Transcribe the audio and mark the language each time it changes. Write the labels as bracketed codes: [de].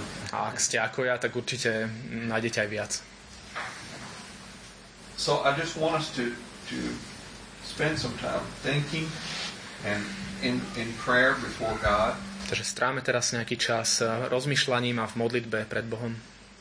[sk] A ak ste ako ja, tak určite nájdete aj viac. [en] So I just want us to spend some time thinking and in prayer before God. [sk] Takže stráme teraz nejaký čas rozmýšľaním a v modlitbe pred Bohom.